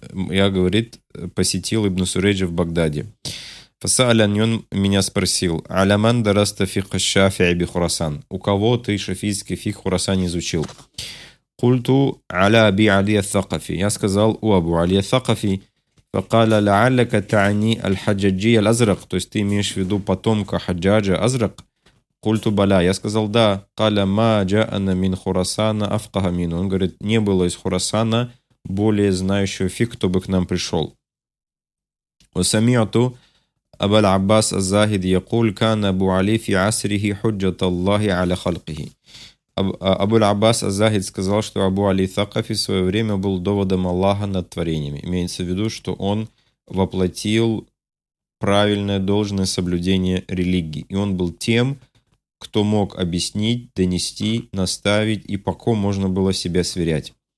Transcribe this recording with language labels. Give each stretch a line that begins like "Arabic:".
Russian: Я, говорит, посетил ибн Сурейджа в Багдаде. Фаса аль-Аньон меня спросил,
Arabic: аляман дараста фикха шафи'и би Хурасан.
Russian: У кого ты шафийский фикх Хурасан изучил?
Arabic: Культу аля аби али ас-Сакафи.
Russian: Я сказал, у абу али ас-Сакафи.
Arabic: فقال لعلك تعني الحجاجي الأزرق.
Russian: То есть ты имеешь в виду потомка Хаджаджа Азрак?
Arabic: قلت بلا.
Russian: Я сказал да.
Arabic: قال ما جاءنا من خراسان أفقه منه.
Russian: Он говорит, не было из Хурасана более знающего фиг, кто бы к нам пришел.
Arabic: وسمعت أبا العباس الزاهد يقول كان أبو علي في عصره حجة الله على خلقه.
Russian: Абу аль-Аббас аз-Захид сказал, что Абу Али ас-Сакафи в свое время был доводом Аллаха над творениями. Имеется в виду, что он воплотил правильное, должное соблюдение религии. И он был тем, кто мог объяснить, донести, наставить и по ком можно было себя сверять.